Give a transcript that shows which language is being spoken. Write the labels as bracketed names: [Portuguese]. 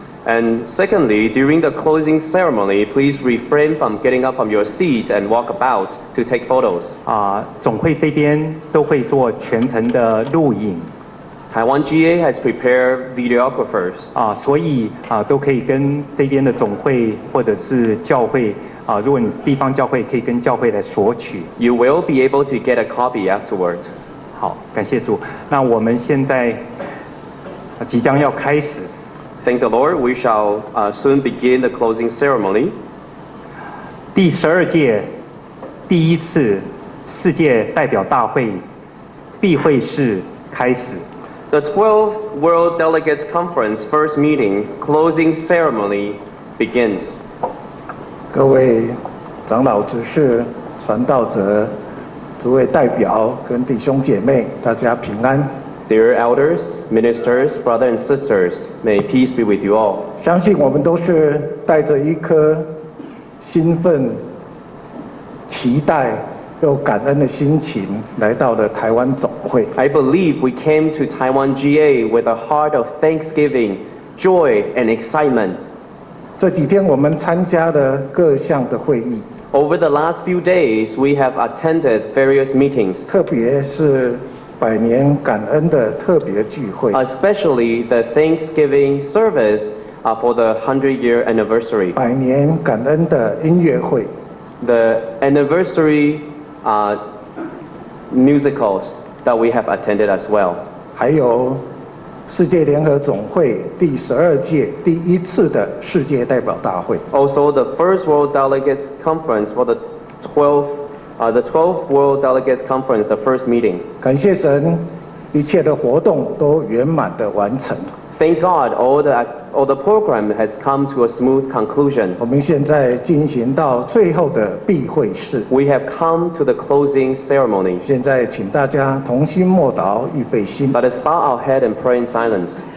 [English] And secondly, during the closing ceremony, please refrain from getting up from your seat and walk about to take photos. [Chinese] 啊，总会这边都会做全程的录影。 [English] Taiwan GA has prepared videographers. [Chinese] 啊，所以啊，都可以跟这边的总会或者是教会啊，如果你是地方教会，可以跟教会来索取。 [English] You will be able to get a copy afterward. [Chinese] 好，感谢主。那我们现在即将要开始。 [English] Thank the Lord, we shall soon begin the closing ceremony. [Chinese] 第十二届第一次世界代表大会闭会式开始。 [English] The 12th World Delegates Conference first meeting closing ceremony begins. [Chinese] 各位长老执事、传道者、诸位代表跟弟兄姐妹，大家平安。 [English] Dear elders, ministers, brothers and sisters, may peace be with you all. [Chinese] 相信我们都是带着一颗兴奋、期待又感恩的心情来到了台湾总会。 [English] I believe we came to Taiwan GA with a heart of thanksgiving, joy and excitement. [Chinese] 这几天我们参加了各项的会议。 [English] Over the last few days, we have attended various meetings. [Chinese] 特别是百年感恩的特别聚会 [English] ，especially the Thanksgiving service for the 100-year anniversary。 [Chinese] 百年感恩的音乐会 [English] ，the anniversary musicals that we have attended as well。 [Chinese] 还有世界联合总会第十二届第一次的世界代表大会 [English] ，also the First World Delegates Conference for the 12th。 The 12th World Delegates Conference, the first meeting. [Chinese] 感谢神，一切的活动都圆满的完成。 [English] Thank God, all the program has come to a smooth conclusion. [Chinese] 我们现在进行到最后的闭会式。 [English] We have come to the closing ceremony. [Chinese] 现在请大家同心默祷，预备心。 [English] Let us bow our head and pray in silence.